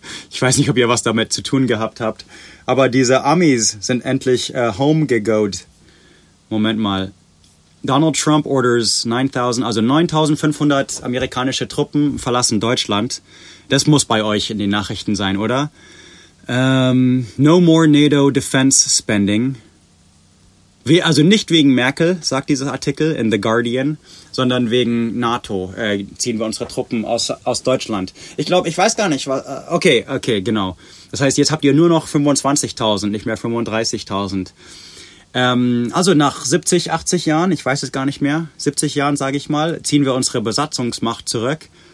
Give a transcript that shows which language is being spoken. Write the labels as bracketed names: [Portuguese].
[German] Ich weiß nicht, ob ihr was damit zu tun gehabt habt, aber diese Amis sind endlich home gegoed. Moment mal. Donald Trump orders 9.500 amerikanische Truppen verlassen Deutschland. Das muss bei euch in den Nachrichten sein, oder? [English] No more NATO defense spending. [German] Also nicht wegen Merkel, sagt dieser Artikel in The Guardian, sondern wegen NATO ziehen wir unsere Truppen aus Deutschland. Ich glaube, ich weiß gar nicht, was. Okay, genau. Das heißt, jetzt habt ihr nur noch 25.000, nicht mehr 35.000. Also nach 70, 80 Jahren, ich weiß es gar nicht mehr, 70 Jahren, sage ich mal, ziehen wir unsere Besatzungsmacht zurück.